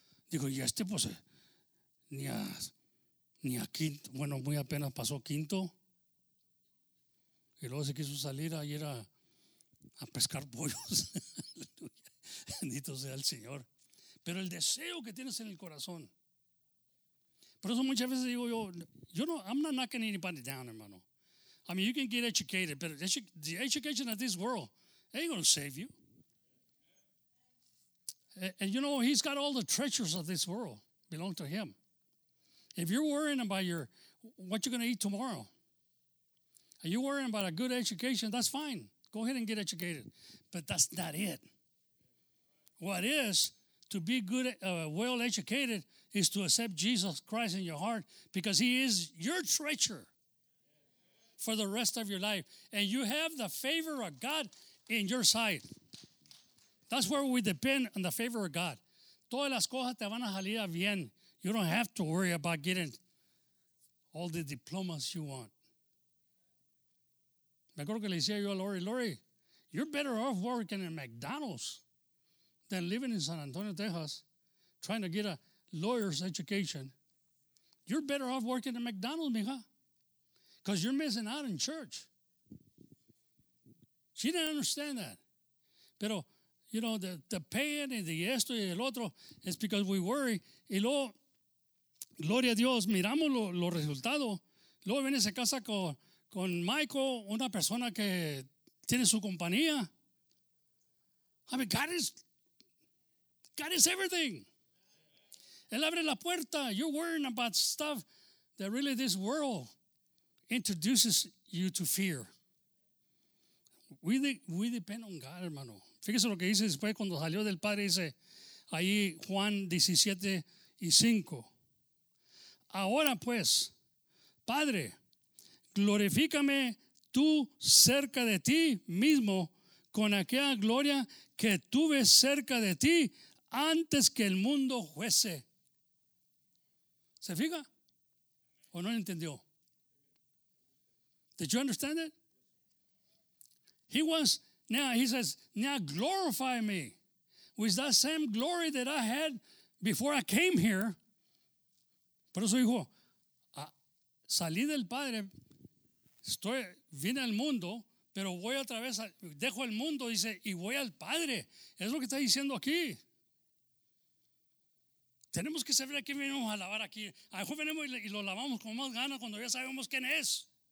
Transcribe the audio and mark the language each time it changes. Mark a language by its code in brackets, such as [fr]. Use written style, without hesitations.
[es] Dijo, y este pues ni a quinto, bueno, muy apenas pasó quinto. Y luego se quiso salir ayer a pescar pollos. Bendito sea el Señor. pero el deseo que tienes en el corazón. Por eso muchas veces digo yo, [en] you know, I'm not knocking anybody down, hermano. I mean, you can get educated, but the education of this world ain't going to save you. And you know, he's got all the treasures of this world belong to him. If you're worrying about your what you're going to eat tomorrow, are you worrying about a good education? That's fine. Go ahead and get educated. But that's not it. What is to be good, well educated is to accept Jesus Christ in your heart because he is your treasure for the rest of your life. And you have the favor of God in your sight. That's where we depend on the favor of God. [es] Todas las cosas te van a salir bien. [en] You don't have to worry about getting all the diplomas you want. [es] Me acuerdo que le decía yo a Lori, [en] Lori, you're better off working in McDonald's than living in San Antonio, Texas, trying to get a lawyer's education. You're better off working in McDonald's, mija, because you're missing out in church. She didn't understand that. [es] Pero, [en] you know, the pain and the [es] esto y el otro [en] is because we worry. [es] Y luego, gloria a Dios, miramos los resultados. Luego viene esa casa con Michael, una persona que tiene su compañía. [en] I mean, God is everything. [es] Él abre la puerta. [en] You're worrying about stuff that really this world introduces you to fear. We depend on God, hermano. [es] Fíjese lo que dice después cuando salió del Padre, dice ahí Juan 17:5. Ahora pues, Padre, glorifícame tú cerca de ti mismo con aquella gloria que tuve cerca de ti antes que el mundo fuese. ¿Se fija? ¿O no entendió? [en] Did you understand it? He was, now he says, now glorify me with that same glory that I had before I came here. [es] Por eso dijo, salí del Padre. Estoy, vine al mundo, pero voy otra vez, dejo el mundo, dice, y voy al Padre. Es lo que está diciendo aquí. Tenemos que saber a quién venimos a lavar aquí. A lo mejor venimos y lo lavamos con más ganas cuando ya sabemos quién es.